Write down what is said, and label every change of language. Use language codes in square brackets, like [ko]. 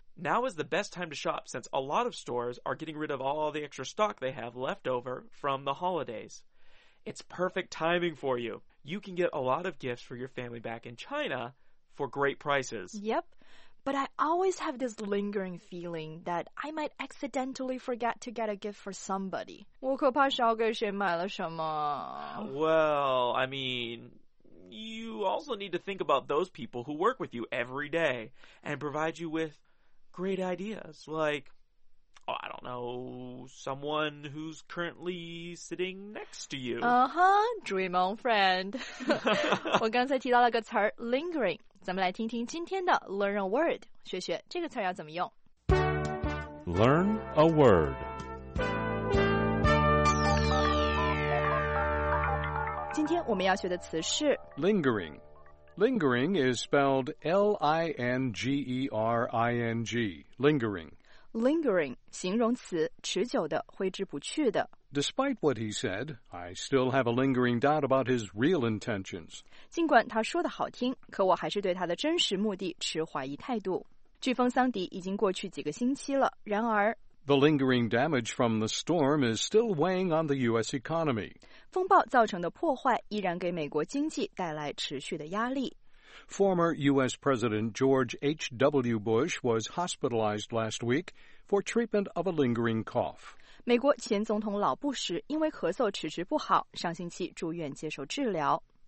[en] Now is the best time to shop since a lot of stores are getting rid of all the extra stock they have left over from the holidays. It's perfect timing for you. You can get a lot of gifts for your family back in China for great prices. Yep. But I always have this lingering feeling that I might accidentally forget to get a gift for somebody. [zh] 我可怕少给谁买了什么。 [en] Well, I mean, you also need to think about those people who work with you every day and provide you with great ideas. Like, oh, I don't know, someone who's currently sitting next to you. Uh-huh, dream on friend. [zh] 我刚才提到了个词 lingering. 咱们来听听今天的 Learn a Word， 学学这个词要怎么用。 [en] Learn a Word。 [zh] 今天我们要学的词是 [en] Lingering。 Lingering is spelled L-I-N-G-E-R-I-N-G, Lingering. [zh] Lingering, 形容词，持久的，挥之不去的。 [en] Despite what he said, I still have a lingering doubt about his real intentions. [zh] 尽管他说得好听，可我还是对他的真实目的持怀疑态度。飓风桑迪已经过去几个星期了，然而 [en] The lingering damage from the storm is still weighing on the U.S. economy. [zh] 风暴造成的破坏依然给美国经济带来持续的压力。 [en] Former U.S. President George H.W. Bush was hospitalized last week for treatment of a lingering cough. [zh] 美国前总统老布什因为咳嗽迟迟不好，上星期住院接受治疗。